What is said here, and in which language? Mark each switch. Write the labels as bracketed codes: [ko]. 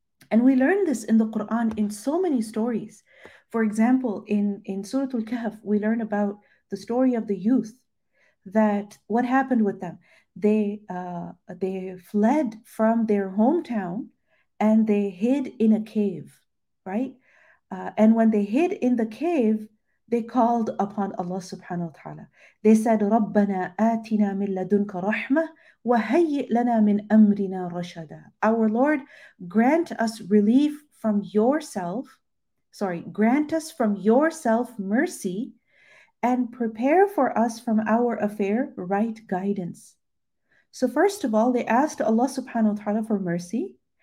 [en] And we learn this in the Quran in so many stories. For example, in Surah Al-Kahf, we learn about the story of the youth, that what happened with them. They fled from their hometown and they hid in a cave, right? And when they hid in the cave, they called upon Allah subhanahu wa ta'ala. They said, [ar] رَبَّنَا آتِنَا مِنْ لَدُنْكَ رَحْمَةً وَهَيِّئْ لَنَا مِنْ أَمْرِنَا رَشَدًا. [en] Our Lord, grant us relief from yourself. Sorry, grant us from yourself mercy and prepare for us from our affair right guidance. So first of all, they asked Allah subhanahu wa ta'ala for mercy.